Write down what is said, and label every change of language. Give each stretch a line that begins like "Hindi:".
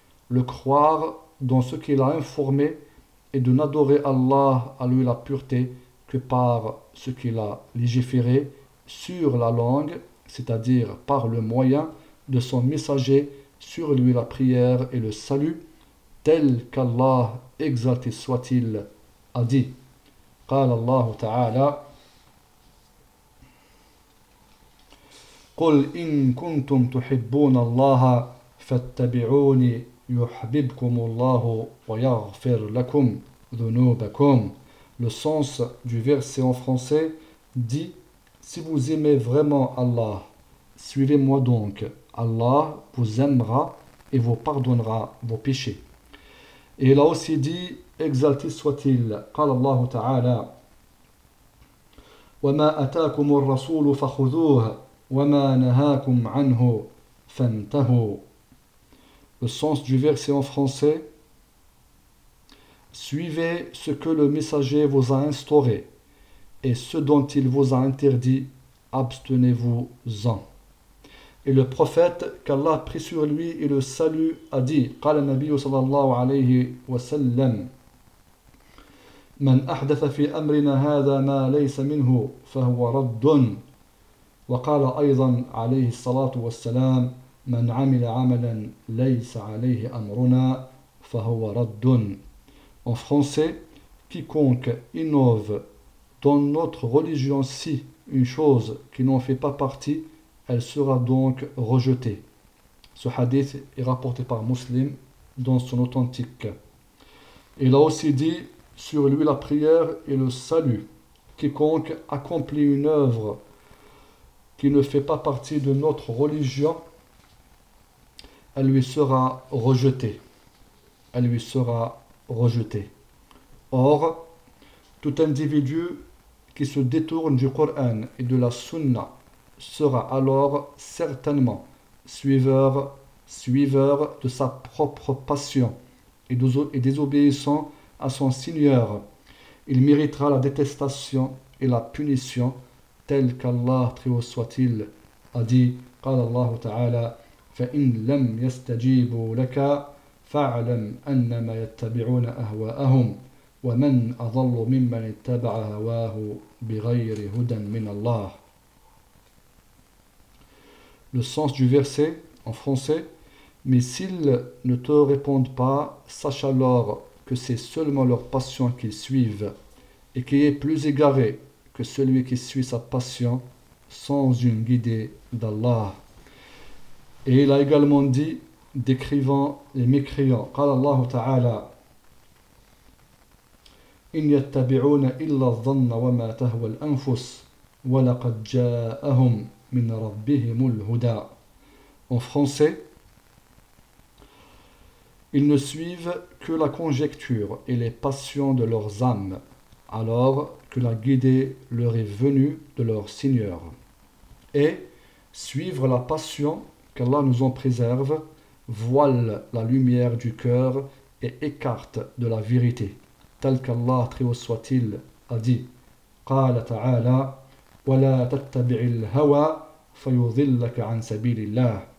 French: le croire dans ce qu'il a informé et de n'adorer Allah à lui la pureté que par ce qu'il a légiféré sur la langue, c'est-à-dire par le moyen de son messager sur lui la prière et le salut, tel qu'Allah exalté soit-il a dit.
Arabic: قال الله تعالى قل إن كنتم تحبون الله فاتبعوني يحببكم الله ويغفر لكم ذنوبكم.
French: Le sens du verset en français dit: si vous aimez vraiment Allah, suivez-moi donc. Allah vous aimera et vous pardonnera vos péchés. Et il a aussi dit, exalté soit-il,
Arabic: قال الله تعالى, وما أتاكم الرسول فخذوه وما نهاكم عنه فانتهوا.
French: Le sens du verset en français, suivez ce que le messager vous a instauré et ce dont il vous a interdit, abstenez-vous-en. Et le prophète, qu'Allah prie sur lui et le salue, a dit,
Arabic: قال النبي صلى الله عليه وسلم, من أحدث في أمرنا هذا ما ليس منه فهو رد. وقال أيضا عليه الصلاة والسلام, من عمل عملا ليس عليه أمرنا فهو رد.
French: En français, quiconque innove dans notre religion si une chose qui n'en fait pas partie, elle sera donc rejetée. Ce hadith est rapporté par Muslim dans son authentique. Il a aussi dit, sur lui la prière et le salut. Quiconque accomplit une œuvre qui ne fait pas partie de notre religion, elle lui sera rejetée. Elle lui sera rejetée. Or, tout individu qui se détourne du Coran et de la Sunna sera alors certainement suiveur de sa propre passion et désobéissant à son Seigneur. Il méritera la détestation et la punition, tel qu'Allah, très haut soit-il, a dit,
Arabic: قال الله تعالى, فإن لم يستجيبوا لك فاعلم أنما يتبعون أهواءهم ومن أضل ممن اتبع هواه بغير هدى من الله.
French: Le sens du verset en français, mais s'ils ne te répondent pas, sache alors que c'est seulement leur passion qu'ils suivent et qui est plus égaré que celui qui suit sa passion sans une guidée d'Allah. Et il a également dit, décrivant les mécréants,
Arabic: قال الله تعالى, إن يتبعون إلا الظن وما تهوى الأنفس ولقد جاءهم من ربهم الهدى.
French: En français, ils ne suivent que la conjecture et les passions de leurs âmes, alors que la guidée leur est venue de leur Seigneur. Et suivre la passion, qu'Allah nous en préserve, voile la lumière du cœur et écarte de la vérité, tel qu'Allah, très haut soit-il, a dit,
Arabic: قال تعالى, ولا تتبع الهوى فيضلك عن سبيل الله.